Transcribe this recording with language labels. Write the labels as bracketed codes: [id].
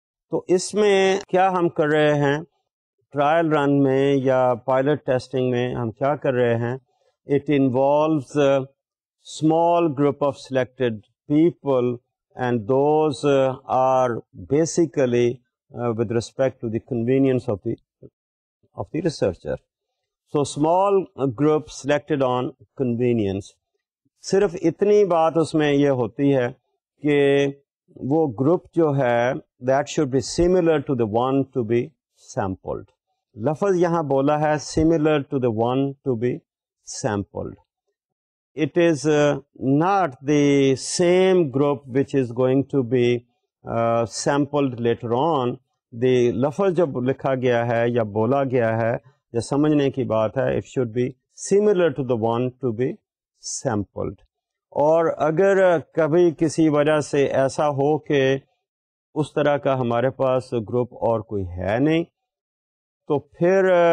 [ur] تو اس میں کیا ہم کر رہے ہیں ٹرائل رن میں یا پائلٹ ٹیسٹنگ میں، ہم کیا کر رہے ہیں؟ [en] It involves small group of selected people and those are basically with respect to the convenience of the researcher. So small group selected on convenience, [ur] صرف اتنی بات اس میں یہ ہوتی ہے کہ وہ گروپ جو ہے [en] That should be similar to the one to be sampled. [ur] لفظ یہاں بولا ہے [en] Similar to the one to be sampled, it is not the same group which is going to be sampled later on. [ur] دی لفظ جب لکھا گیا ہے یا بولا گیا ہے یا سمجھنے کی بات ہے [en] It should be similar to the one to be sampled. [ur] اور اگر کبھی کسی وجہ سے ایسا ہو کہ اس طرح کا ہمارے پاس گروپ اور کوئی ہے نہیں تو پھر